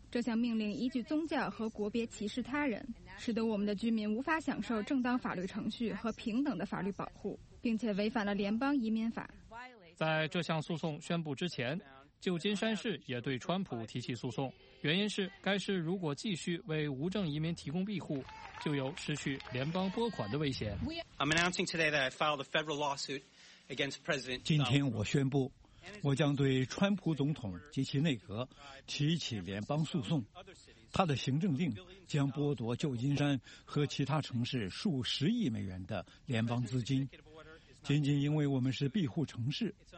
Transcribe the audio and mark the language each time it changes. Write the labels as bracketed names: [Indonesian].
[Chinese] 这项命令依据宗教和国别歧视他人，使得我们的居民无法享受正当法律程序和平等的法律保护，并且违反了联邦移民法。在这项诉讼宣布之前，旧金山市也对川普提起诉讼，原因是该市如果继续为无证移民提供庇护，就有失去联邦拨款的危险。 [English] I'm announcing today that I filed a federal lawsuit against President. [Chinese] 今天我宣布，我将对川普总统及其内阁提起联邦诉讼。他的行政令将剥夺旧金山和其他城市数十亿美元的联邦资金，仅仅因为我们是庇护城市。